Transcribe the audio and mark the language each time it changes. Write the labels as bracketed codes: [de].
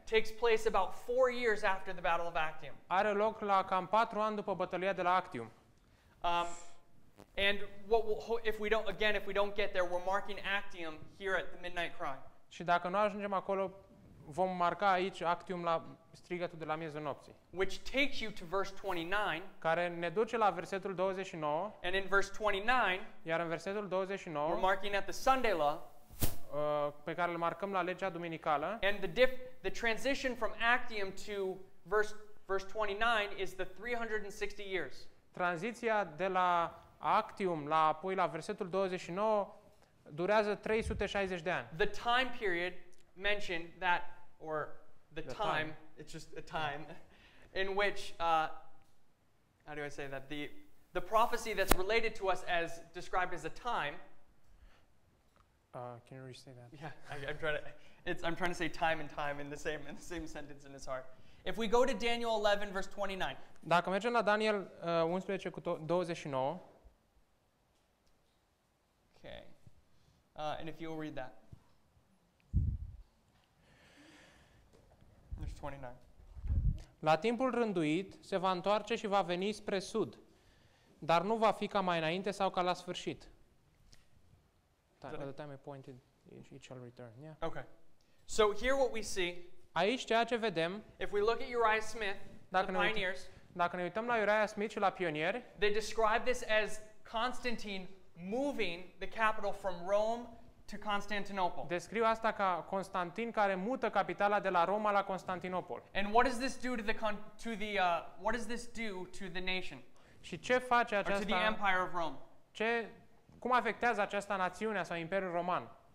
[en] takes place about 4 years after the Battle of Actium. [ro] Are loc la cam 4 ani după bătălia de la Actium. [en] And what we'll, if we don't get there, we're marking Actium here at the midnight cry. [ro] Și dacă nu ajungem acolo, vom marca aici Actium la strigătul de la miezul nopții. [en] Which takes you to verse 29. [ro] Care ne duce la versetul 29. [en] And in verse 29. [ro] Iar în versetul 29. [en] We're marking at the Sunday law. [ro] Pe care îl marcăm la legea duminicală. [en] And the transition from Actium to verse 29 is the 360 years. [ro] Tranziția de la Actium la apoi la versetul 29 durează 360 de ani. [en] The time period mentioned that, or the time, it's just a time, in which, how do I say that? The prophecy that's related to us as described as a time. Can you restate that? Yeah, I'm trying to say time and time in the same sentence in his heart. If we go to Daniel 11, verse 29. [ro] Dacă mergem la Daniel 11, 29. [en] Okay. And if you'll read that. Verse 29. [ro] La timpul rânduit se va întoarce și va veni spre sud, dar nu va fi ca mai înainte sau ca la sfârșit. [en] The time appointed, it shall return. Yeah. Okay. So here what we see, [ro] aici ceea ce vedem, [en] if we look at Uriah Smith, the pioneers, [ro] dacă ne uităm la Uriah Smith și la pionieri, [en] they describe this as Constantine moving the capital from Rome to Constantinople. [ro] Descriu asta ca Constantin care mută capitala de la Roma la Constantinopol. [en] And what does this do to the what does this do to the nation? [ro] Și ce face aceasta? [en] Or to the Empire of Rome. [ro] Ce, cum afectează această națiune sau Imperiul Roman?